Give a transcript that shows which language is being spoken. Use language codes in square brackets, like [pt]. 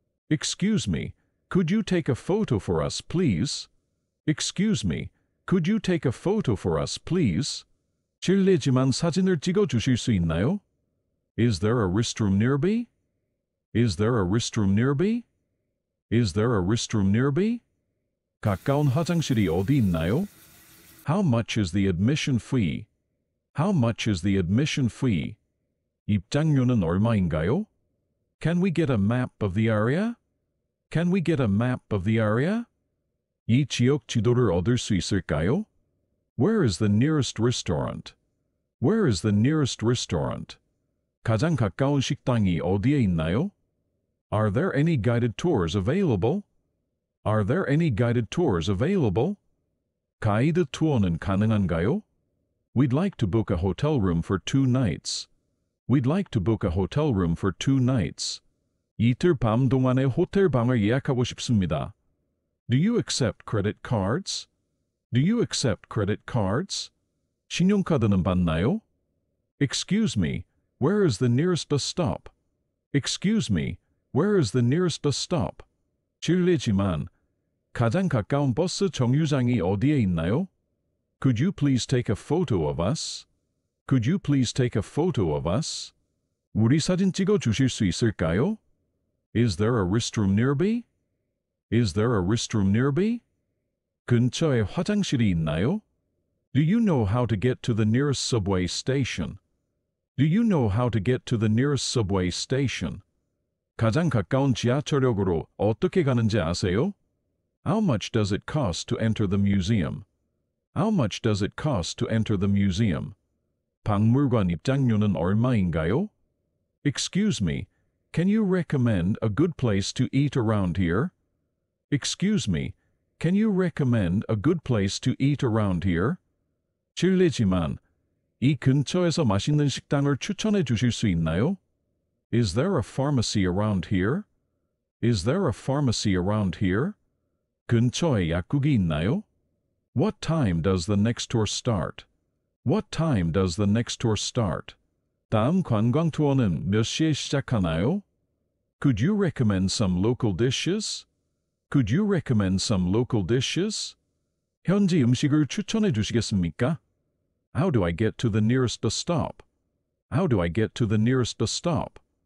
[en] Excuse me, could you take a photo for us, please? Excuse me, could you take a photo for us, please? [ko] 실례지만 사진을 찍어주실 수 있나요? [en] Is there a restroom nearby? Is there a restroom nearby? Is there a restroom nearby? [ko] 가까운 화장실이 어디 있나요? [en] How much is the admission fee? How much is the admission fee? [ko] 입장료는 얼마인가요? [en] Can we get a map of the area? Can we get a map of the area? [ko] 이 지역 지도를 얻을 수 있을까요? [en] Where is the nearest restaurant? Where is the nearest restaurant? [ko] 가장 가까운 식당이 어디에 있나요? [en] Are there any guided tours available? Are there any guided tours available? [ko] 가이드 투어는 가능한가요? [en] We'd like to book a hotel room for two nights. We'd like to book a hotel room for two nights. [ko] 이틀 밤 동안의 호텔 방을 예약하고 싶습니다. [en] Do you accept credit cards? Do you accept credit cards? [ko] 신용카드는 받나요? [en] Excuse me, where is the nearest bus stop? Excuse me, where is the nearest bus stop? [ko] 실례지만, 가장 가까운 버스 정류장이 어디에 있나요? [en] Could you please take a photo of us? Could you please take a photo of us? [ko] 우리 사진 찍어주실 수 있을까요? [en] Is there a restroom nearby? Is there a restroom nearby? [ko] 근처에 화장실이 있나요? [en] Do you know how to get to the nearest subway station? Do you know how to get to the nearest subway station? [ko] 가장 가까운 지하철역으로 어떻게 가는지 아세요? [en] How much does it cost to enter the museum? How much does it cost to enter the museum? [ko] 박물관 입장료는 얼마인가요? [en] Excuse me, can you recommend a good place to eat around here? Excuse me, can you recommend a good place to eat around here? [ko] 실례지만, 이 근처에서 맛있는 식당을 추천해 주실 수 있나요? [en] Is there a pharmacy around here? Is there a pharmacy around here? [ko] 근처에 약국이 있나요? [en] What time does the next tour start? What time does the next tour start? [ko] 다음 관광 투어는 몇 시에 시작하나요? [en] Could you recommend some local dishes? Could you recommend some local dishes? [ko] 현지 음식을 추천해 주시겠습니까? [en] How do I get to the nearest stop? How do I get to the nearest stop?